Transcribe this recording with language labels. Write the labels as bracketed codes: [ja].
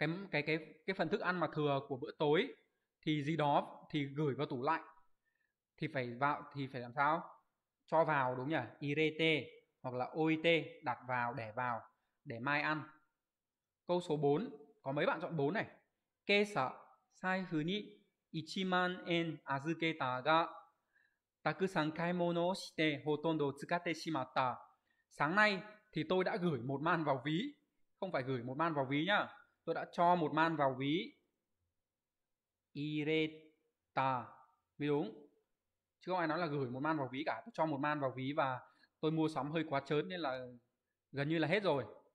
[vi] Cái phần thức ăn mà thừa của bữa tối thì gì đó thì gửi vào tủ lạnh. Thì phải làm sao? Cho vào đúng nhỉ? Irete hoặc là oite đặt vào để mai ăn. Câu số 4, có mấy bạn chọn 4 này? [ja] Kesa saifu ni 1万 円 預けたが, たくさん買い物をして ほとんど使ってしまった. [vi] Sáng nay thì tôi đã gửi một man vào ví, không phải gửi một man vào ví nhá. Tôi đã cho một man vào ví. Ireta mới đúng. Chứ không ai nói là gửi một man vào ví cả. Tôi cho một man vào ví và tôi mua sắm hơi quá trớn nên là gần như là hết rồi.